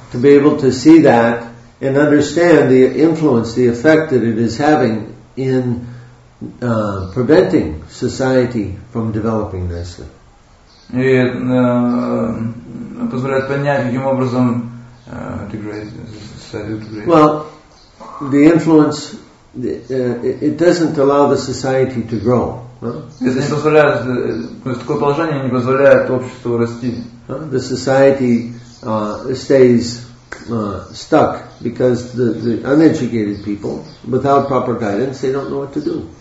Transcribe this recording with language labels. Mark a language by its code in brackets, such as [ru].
[en] To be able to see that and understand the influence, the effect that it is having in preventing society from developing nicely. [ru] И позволяет понять, каким образом degrade. [en] Well, the influence, it doesn't allow the society to grow. [ru] Такое положение не позволяет обществу расти. [en] The society stays stuck because the uneducated people, without proper guidance, they don't know what to do.